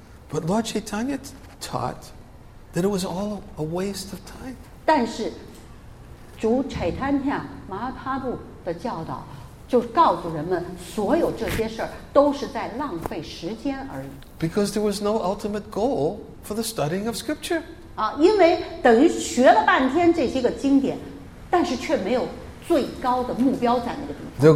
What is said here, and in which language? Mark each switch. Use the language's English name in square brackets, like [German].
[English] But Lord Chaitanya taught that it was all a waste of time. [Chinese] 但是主柴坦尼亚马哈帕布的教导就告诉人们所有这些事都是在浪费时间而已 [English] because there was no ultimate goal for the studying of scripture [Chinese] 因为等于学了半天这些个经典但是却没有最高的目标在那个地方